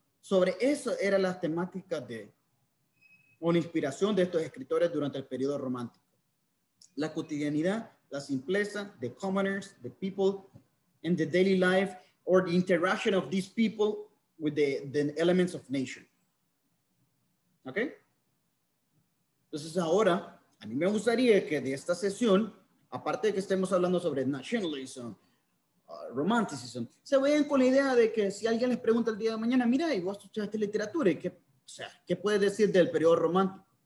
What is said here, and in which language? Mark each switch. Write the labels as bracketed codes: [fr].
[es] Sobre eso era la temática de una inspiración de estos escritores durante el periodo romántico. La cotidianidad, la simpleza, [en] the commoners, the people, and the daily life, or the interaction of these people with the elements of nature. [es] ¿Ok? Entonces ahora, a mí me gustaría que de esta sesión, aparte de que estemos hablando sobre nationalism, romanticism, se vayan con la idea de que si alguien les pregunta el día de mañana, mira, ¿y vos estudiaste literatura? ¿Y qué, o sea, qué puedes decir del periodo romántico?